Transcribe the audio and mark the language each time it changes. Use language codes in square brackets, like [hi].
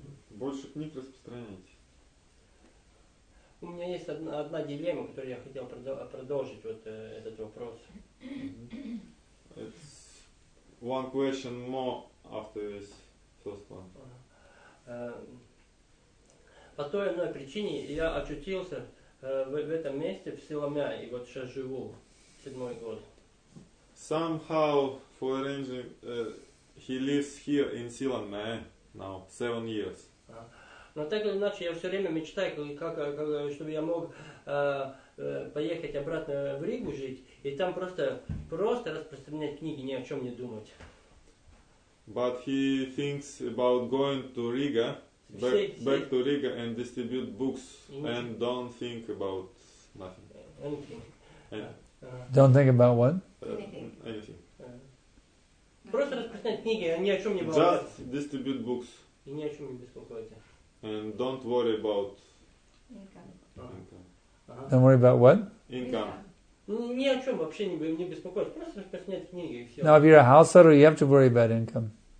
[ru] Больше книг распространяйте. У меня есть одна дилемма, которую я хотел продолжить вот этот вопрос. [en] It's one question more after this first one. [ru] по той одной причине я очутился в этом месте в Силамя и вот сейчас живу седьмой год. [en] Somehow for arranging he lives here in Silamya now 7 years. [ru] Но так или иначе я все время мечтаю, как чтобы я мог поехать обратно в Ригу жить и там просто распространять книги, ни о чем не думать. [en] But he thinks about going to Riga, back to Riga and distribute books and don't think about nothing. Don't think about what? Anything. [ru] Просто распространять книги, ни о чем не волноваться. [en] Just distribute books. [ru] И ни о чем не беспокоиться. [en] And don't worry about income. Don't worry about what? Income. [ru] Ни о чем вообще не беспокоиться. Просто распространять книги и все. [en] Now, if you're a house sitter, you have to worry about income.